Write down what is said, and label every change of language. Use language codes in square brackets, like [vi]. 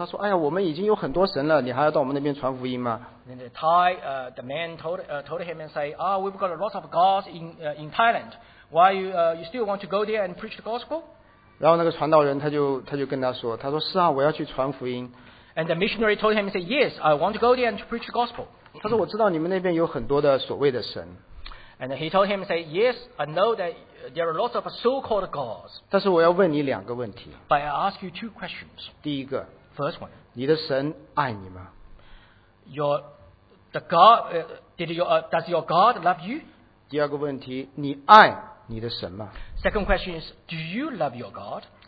[zh] 然后那个泰国人就告诉他说,他说,哎呀,我们已经有很多神了,你还要到我们那边传福音吗? [en] Then the Thai, told him and say, ah, oh, we've got lots of gods in Thailand. Why you still want to go there and preach the gospel? [zh] 然后那个传道人他就跟他说,他说,是啊,我要去传福音。 [en] And the missionary told him, say, yes, I want to go there and to preach the gospel. [zh] 他说,我知道你们那边有很多的所谓的神。 [en] And he told him, say, yes, I know that there are lots of so-called gods. [zh] 但是我要问你两个问题。 [en] But I ask you two questions. [zh] 第一个, [en] first one. [zh] 你的神爱你吗? [en] Does your God love you? [zh] 第二个问题, 你爱你的神吗? [en] Second question is, do you love your God?